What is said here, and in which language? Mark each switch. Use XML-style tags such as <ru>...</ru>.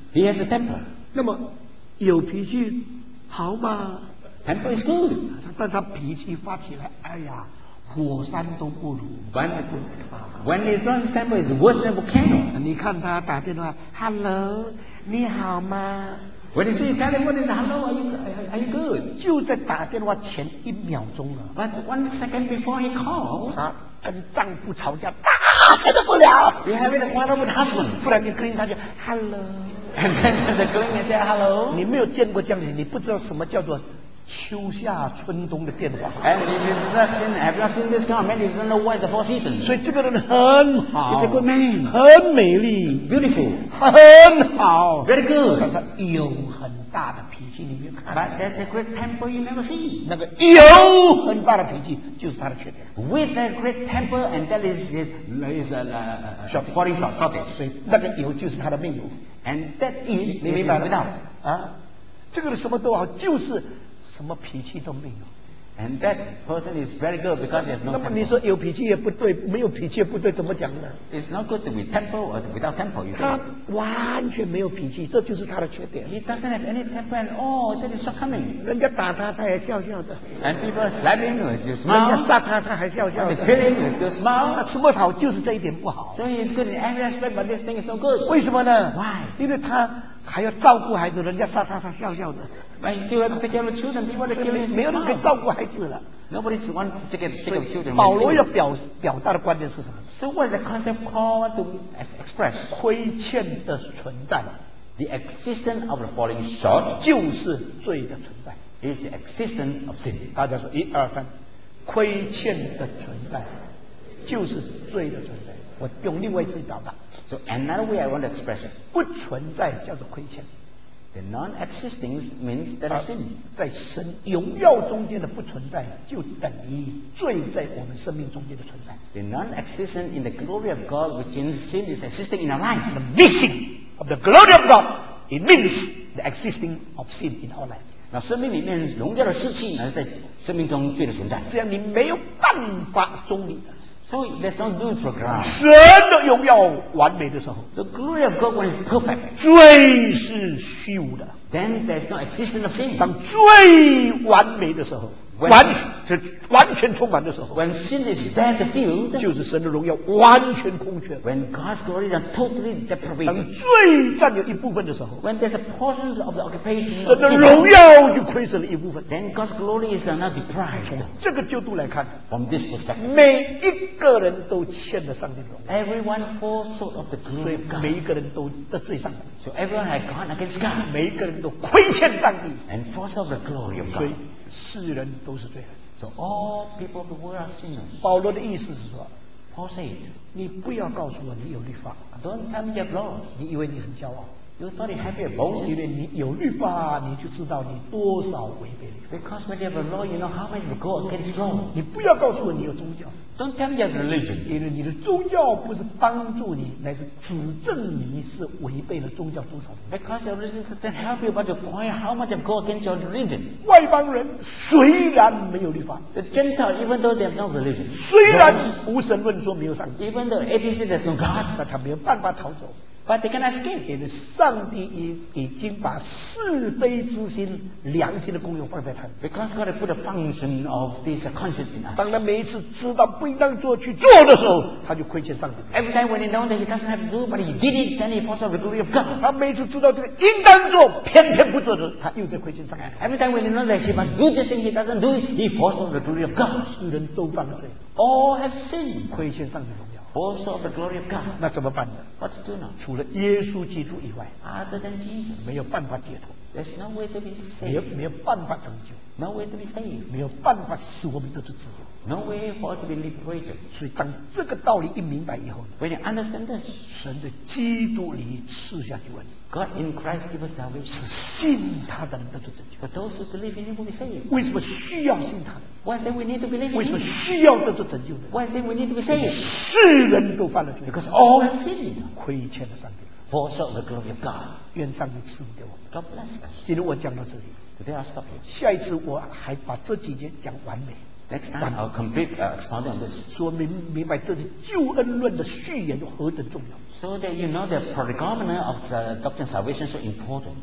<en>He has a temper</en> <zh>那么有脾气好吗</zh> <en>Temper is good</en> <zh>但他脾气发起来哎呀火山都不如</zh> <en>When his temper is worse than a volcano</en> <zh>你看他打电话 Hello 你好吗</zh> <en>When he says telephone is hello are you good</en> <zh>就在打电话前一秒钟了</zh> <en>But one second before he called</en> <zh>他跟丈夫吵架大开得不了</zh> <en>You have a quarrel with husband</en> <zh>不然你 clean 他就 Hello</zh> <en>And then the clean and say hello</en> <zh>你没有见过这样的人你不知道什么叫做秋夏春冬的变化</zh> <en>And if you've not seen, have not seen this kind of man you don't know what is the four seasons</en> <zh>所以这个人很好</zh> <en>He's a good man</en> <zh>很美丽</zh> <en>Beautiful</en> <zh>很好</zh> <en>Very good</en> <zh>他有很大的脾气你没有看</zh> <en>But that's a great temper you never see</en> <zh>那个有很大的脾气就是他的缺点</zh> <en>With a great temper and that is a</en> <zh>shortage 所以那个有就是他的命有</zh> <en>And that is</en> <zh>你明白了啊，这个人什么都好就是什么脾气都没有</zh> <en>and that person is very good because he has no temper</en> <zh>那么你说有脾气也不对没有脾气也不对怎么讲呢</zh> <en>it's not good to be temper or without temper you</en> <zh>他完全没有脾气这就是他的缺点</zh> <en>he doesn't have any temper at all that is shortcoming</en> <zh>人家打他他也笑笑的</zh> <en>and people slap him as you smile</en> <zh>人家杀他他还笑笑的</zh> <en>kill him as you smile</en> <zh>他什么好就是这一点不好</zh> <en>so he's good in every aspect but this thing is no good</en> <zh>为什么呢</zh> <en>why</en> <zh>因为他还要照顾孩子人家杀他他笑笑的</zh> <en>But he still has to take care of children people want to kill his</en> <zh>没有人可以照顾孩子了</zh> <en>Nobody wants to take care of children</en> <zh>所以保罗要 表达的观点是什么</zh> <en>So what is the concept called to express</en> <zh>亏欠的存在</zh> <en>The existence of the falling short</en> <zh>就是罪的存在</zh> <en>Is the existence of sin</en> <zh>大家说一二三亏欠的存在就是罪的存在我用另外一次表达</zh> <en>So another way I want to express it.</en> <zh>不存在叫做亏欠。</zh> <en>The non-existing means that a sin.</en> <zh>在神荣耀中间的不存在就等于罪在我们生命中间的存在。</zh> <en>The non-existing in the glory of God which means sin is existing in our life. The missing of the glory of God, it means the existing of sin in our life.</en> <zh>那生命里面荣耀的失去而在生命中罪的存在。这样你没有办法中立。</zh> <en>So let's not do it for granted.</en> <zh>神的荣耀完美的时候</zh> <en>，The glory of God when it's perfect.</en> <zh>罪是虚无的。</zh> <en>Then there's no existence of sin.</en> <zh>当罪完美的时候 完全充满的时候</zh> <en>，When sin is dead filled,</en> <zh>就是神的荣耀完全空缺。</zh> <en>When God's glory is totally deprived.</en> <zh>当罪占有一部分的时候</zh> <en>，When there's a portion of the occupation,</en> <zh>神的荣耀就亏损了一部分。</zh> <en>Then God's glory is not deprived.</en> <zh>从这个角度来看</zh> <en>，From this perspective,</en> <zh>每一个人都欠了上帝的荣耀。</zh> <en>Everyone falls short of the glory of God.</en> <zh>每一个人都得罪上帝。</zh> <en>So everyone has gone against God.</en> <zh>每一个人都亏欠上帝。</zh> <en>And falls short of the glory of God.</en> <zh>所以世人都是罪人。</zh> <en>So all people of the world are sinners.</en> <zh>保罗的意思是说</zh> <en>，Paul said,</en> <zh>你不要告诉我你有律法。</zh> <en>Don't tell me you have laws.</en> <zh>你以为你很骄傲。</zh> <en>You thought you have your boast.</en> <zh>因为你有律法，你就知道你多少违背律法。</zh> <en>Because when you have a law, you know how much you go against law.</en> <zh>你不要告诉我你有宗教。</zh> <en>Don't tell me you have religion.</en> <zh>因为你的宗教不是帮助你，乃是指证你是违背了宗教多少。</zh> <en>Because your religion doesn't help you, but you point how much you go against your religion.</en> <zh>外邦人虽然没有律法</zh> <en>，The Gentile even though they have no religion.</en> <zh>虽然无神论说没有上帝</zh> <en>，Even though atheist has no God.</en> <zh>但他没有办法逃走。</zh> <en>But they can escape.</en> <zh>因为上帝已经把是非之心、良心的功用放在他。</zh> <en>Because God put a function of this conscience in us.</en> <zh>当他每一次知道不应当做去做的时候，他就亏欠上帝。</zh> <en>Every time when he knows that he doesn't have to do, but he did it, then he falls short of the glory of God.</en> <zh>他每一次知道这个应当做，偏偏不做的，他又在亏欠上帝。</zh> <en>Every time when he knows that he must do this thing, he doesn't do it, he falls short of the glory of God.</en> <zh>世人都犯罪</zh> <en>，All have sinned.</en> <zh>亏欠上帝。</zh> <en>Also of the glory of God.</en> <zh>那怎么办呢</zh> <en>？What to do now?</en> <zh>除了耶稣基督以外</zh> <en>，Other than Jesus,</en> <zh>没有办法解脱。</zh> <en>There's no way to be saved.</en> <zh>没有办法成就。</zh> <en>No way to be saved.</en> <zh>没有办法使我们得到自由。</zh> <en>No way for us to be liberated.</en> <zh>所以当这个道理一明白以后</zh> <en>，When you understand this,</en> <zh>神在基督里赐下救恩。</zh> <en>God in Christ gives salvation.</en> <zh>是信他的人得到自由。</zh> <en>For those who believe in Him will be saved.</en> <zh>为什么需要信他？</zh> <en>Why say we need to believe in him?</en> <zh>为什么需要得到拯救呢</zh> <en>？Why say we need to be saved?</en> <zh>世人都犯了罪</zh> <en>，because all have sinned.</en> <zh>亏欠了上帝</zh> <en>，for short of the glory of God.</en> <zh>愿上帝赐福给我。</zh> <en>God bless us.</en> <zh>今天我讲到这里</zh> <en>，Today I'll stop here.</en> <zh>下一次我还把这几节讲完美。</zh> <en>Next time I'll complete expounding on this.</en> <zh>说明白这是救恩论的序言何等重要。</zh> <en>So that you know the prolegomena of the doctrine of salvation is so important.</en>